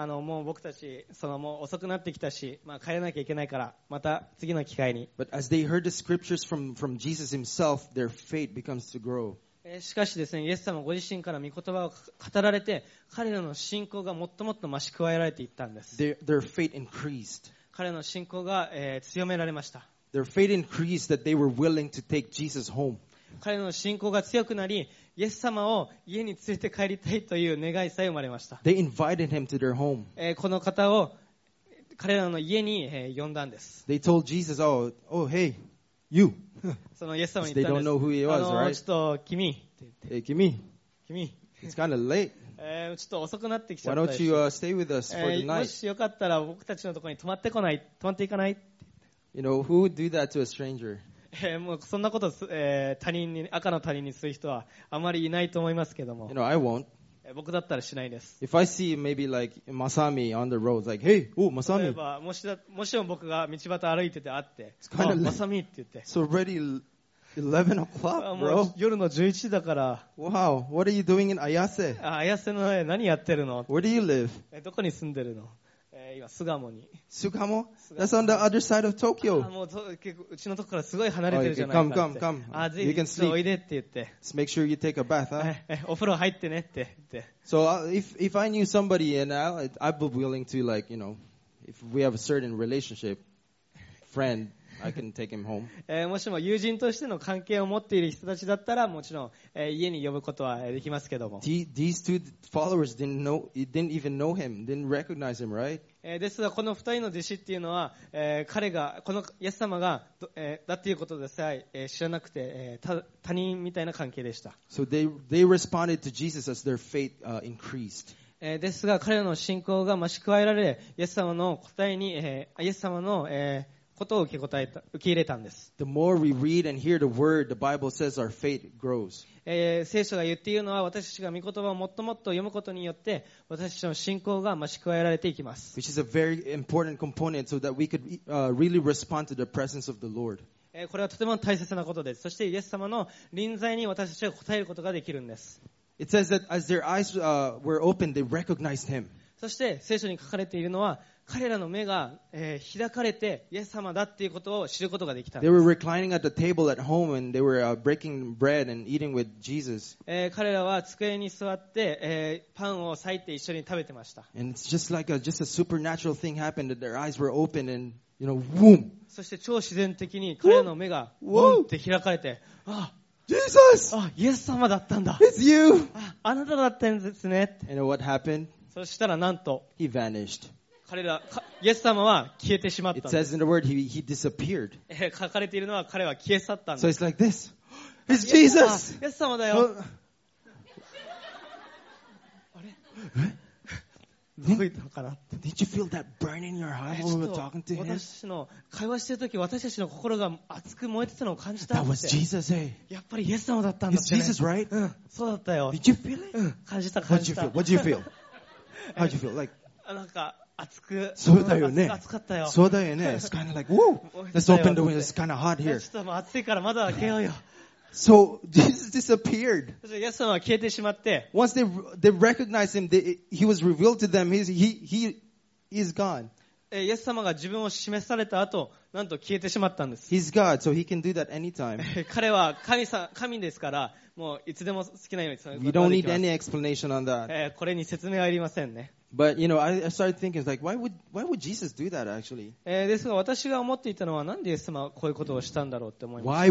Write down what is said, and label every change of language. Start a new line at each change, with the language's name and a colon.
Japanese: もう僕たち、もう遅くなってきたし、まあ帰らなきゃいけないから、また次の機会に。
English: But as they heard the scriptures from Jesus himself, their faith becomes to grow.
Japanese: しかしですね、イエス様ご自身から御言葉を語られて、彼らの信仰がもっともっと増し加えられていったんです。
English: Their faith increased.
Japanese: 彼らの信仰が、強められました。
English: Their faith increased that they were willing to take Jesus home.
Japanese: 彼らの信仰が強くなり、イエス様を家に連れて帰りたいという願いさえ生まれました。
English: They invited him to their home.
Japanese: この方を彼らの家に、呼んだんです。
English: They told Jesus, oh, hey, you.
Japanese: そのイエス様に言ったんです。
English: They don't know who he was, right?
Japanese: ちょっと君。
English: Hey,
Japanese: 君。
English: It's kind of late.
Japanese: ちょっと遅くなってきちゃったし。
English: Why don't you stay with us for the night?
Japanese: もしよかったら僕たちのところに泊まってこない、泊まっていかない。
English: You know, who would do that to a stranger?
Japanese: もうそんなこと、他人に、赤の他人にする人はあまりいないと思いますけども。
English: You know, I won't.
Japanese: 僕だったらしないです。
English: If I see maybe like Masami on the road, like, hey, oh, Masami.
Japanese: 例えば、もしも僕が道端歩いてて会って、Masami って言って。
English: It's already 11 o'clock, bro.
Japanese: 夜の11時だから。
English: Wow, what are you doing in Ayase?
Japanese: Ayase の何やってるの?
English: Where do you live?
Japanese: どこに住んでるの?今、Sugamo に。
English: Sugamo? That's on the other side of Tokyo.
Japanese: もう、結構、うちのとこからすごい離れてるじゃない
English: か。Come. You can sleep.
Japanese: おいでって言って。
English: Just make sure you take a bath, huh?
Japanese: お風呂入ってねって言って。
English: So, if I knew somebody and I'd be willing to, like, you know, if we have a certain relationship, friend, I can take him home.
Japanese: もしも友人としての関係を持っている人たちだったら、もちろん、家に呼ぶことはできますけども。
English: These two followers didn't even know him, didn't recognize him, right?
Japanese: ですがこの二人の弟子っていうのは、彼がこのイエス様が、だっていうことでさえ、知らなくて、他人みたいな関係でした。
English: So they responded to Jesus as their faith increased.
Japanese: ですが彼らの信仰が増し加えられ、イエス様の答えに、イエス様の、ことを受け入れたんです。
English: The more we read and hear the word, the Bible says our faith grows.
Japanese: 聖書が言っているのは、私たちが御言葉をもっともっと読むことによって、私たちの信仰が増し加えられていきます。
English: Which is a very important component so that we could really respond to the presence of the Lord.
Japanese: これはとても大切なことです。そして、イエス様の臨在に私たちが答えることができるんです。
English: It says that as their eyes were opened, they recognized him.
Japanese: そして、聖書に書かれているのは、彼らの目が、開かれてイエス様だっていうことを知ることができたんです。
English: They were reclining at the table at home and they were breaking bread and eating with Jesus.
Japanese: 彼らは机に座って、パンを裂いて一緒に食べてました。
English: And it's just like a supernatural thing happened that their eyes were open and, you know, boom!
Japanese: そして超自然的に彼らの目が、ウォンって開かれて、
English: Jesus!
Japanese: イエス様だったんだ。
English: It's you!
Japanese: あなただったんですね。
English: And what happened?
Japanese: そしたらなんと、
English: He vanished.
Japanese: 彼らイエス様は消えてしまったんです。
English: It says in the word he disappeared.
Japanese: 書かれているのは彼は消え去ったんです。
English: So it's like this. It's Jesus.
Japanese: イエス様だよ。あれ？どこ行ったのかな
English: ？Did you feel that burn in your heart when we were talking to him?
Japanese: 私の会話している時、私たちの心が熱く燃えてたのを感じたって。
English: That was Jesus, eh?
Japanese: やっぱりイエス様だったんだってね。
English: It's Jesus, right?
Japanese: うん、そうだったよ。
English: Did you feel it?
Japanese: うん、感じた。
English: What did you feel? What did you feel? How did you feel? Like?
Japanese: なんか。熱く、そうだよね。熱かったよ。そうだよね。
English: It's kind of like, woo! Let's open the window. It's kind of hot here.
Japanese: ちょっと暑いからまだ開けようよ。
English: So, Jesus disappeared.
Japanese: イエス様は消えてしまって。
English: Once they recognized him, he was revealed to them. He is gone.
Japanese: イエス様が自分を示された後、なんと消えてしまったんです。
English: He's God, so he can do that anytime.
Japanese: 彼は神ですから、もういつでも好きなように。
English: We don't need any explanation on that.
Japanese: これに説明はいりませんね。
English: But you know, I started thinking like, why would Jesus do that actually?
Japanese: ですが私が思っていたのはなんでイエス様はこういうことをしたんだろうって思います。